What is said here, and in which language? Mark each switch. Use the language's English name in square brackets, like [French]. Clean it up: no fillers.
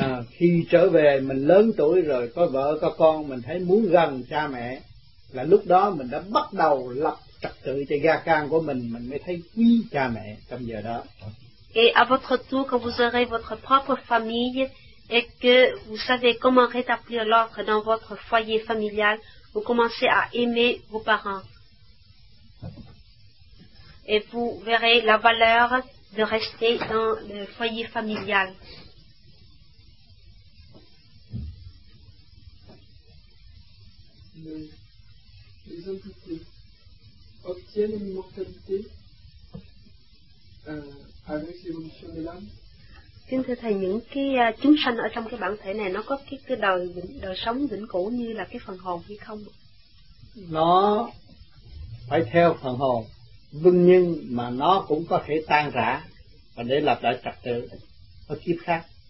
[Vietnamese] Khi trở về mình lớn tuổi rồi, có vợ có con, mình thấy muốn gần cha mẹ, là lúc đó mình đã bắt đầu lập trật tự cho gia can của mình mới thấy quý cha mẹ trong giờ đó. [French] Et à votre tour, quand vous aurez votre propre famille et que vous savez comment rétablir l'ordre dans votre foyer familial, vous commencez à aimer vos parents et vous verrez la valeur de rester dans le foyer familial. Les entités obtiennent l'immortalité avec l'évolution de l'âme. [Vietnamese] Xin thưa thầy, những cái chúng sanh ở trong cái bản thể này nó có cái đời sống vĩnh cửu như là cái phần hồn hay không? Nó phải theo phần hồn, vinh nhưng mà nó cũng có thể tan rã và để lập lại trật tự ở kiếp khác.